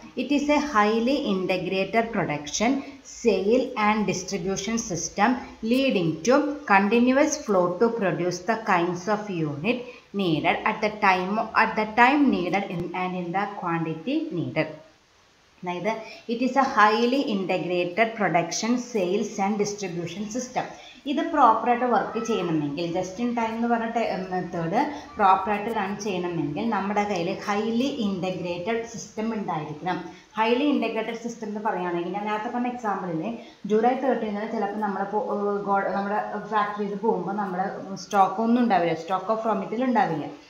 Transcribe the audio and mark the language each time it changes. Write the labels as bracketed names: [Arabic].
[English] It is a highly integrated production sale and distribution system leading to continuous flow to produce the kinds of unit needed at the time needed and in the quantity needed. Neither it is a highly integrated production, sales and distribution system. [Malayalam] ഇത് പ്രോപ്പറായിട്ട് work ചെയ്യണമെങ്കിൽ just in time എന്ന് പറഞ്ഞ method പ്രോപ്പറായിട്ട് run ചെയ്യണമെങ്കിൽ നമ്മുടെ കയ്യിൽ highly integrated system ഉണ്ടായിരിക്കണം. ഹൈലി ഇൻ്റഗ്രേറ്റഡ് സിസ്റ്റം എന്ന് പറയുകയാണെങ്കിൽ ഞാൻ നേരത്തെ പറഞ്ഞ എക്സാമ്പിളിൽ July 13 ചിലപ്പോൾ നമ്മുടെ ഫാക്ടറിയിൽ പോകുമ്പോൾ നമ്മുടെ സ്റ്റോക്കൊന്നും ഉണ്ടാവില്ല, സ്റ്റോക്ക് ഓഫ് റോ മെറ്റീരിയൽ ഉണ്ടാവില്ല.